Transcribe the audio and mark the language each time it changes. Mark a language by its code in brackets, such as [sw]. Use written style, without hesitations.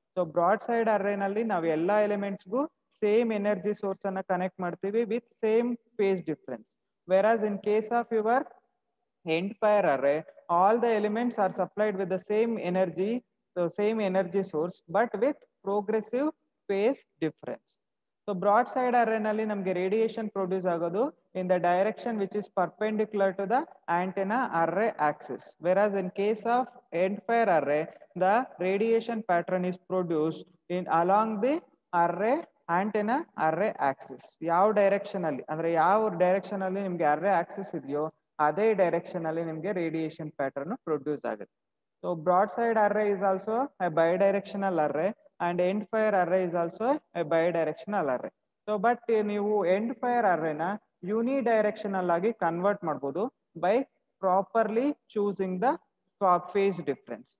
[kn] So broad side ಅರೆನಲ್ಲಿ ನಾವು ಎಲ್ಲಾ ಎಲಿಮೆಂಟ್ಸ್ಗೂ same energy source ಅನ್ನ ಕನೆಕ್ಟ್ ಮಾಡ್ತೀವಿ [en] With same face difference. Wear as in case of your end fire ಅರೆ all the elements are supplied with the same energy, so same energy source but with progressive phase difference. So broadside arrayನಲ್ಲಿ ನಮಗೆ radiation produce ಆಗೋದು in the direction which is perpendicular to the antenna array axis. Whereas in case of end fire array, the radiation pattern is produced in along the array antenna array axis. [kn] ಯಾವ direction ಅಲ್ಲಿ ಅಂದ್ರೆ ಯಾವ direction ಅಲ್ಲಿ ನಿಮ್ಗೆ ಅರ್ರೇ Axis ಇದೆಯೋ ಅದೇ direction ಅಲ್ಲಿ ನಿಮ್ಗೆ ರೇಡಿಯೇಷನ್ ಪ್ಯಾಟರ್ನ್ ಪ್ರೊಡ್ಯೂಸ್ ಆಗುತ್ತೆ. [en] So broadside array is also a bidirectional array and end fire array is also a bidirectional array. [kn] So but ನೀವು ಎಂಡ್ ಫೈರ್ ಅರ್ರೇನ ಯೂನಿ ಡೈರೆಕ್ಷನಲ್ ಆಗಿ ಕನ್ವರ್ಟ್ ಮಾಡ್ಬೋದು [en] By properly choosing the phase difference.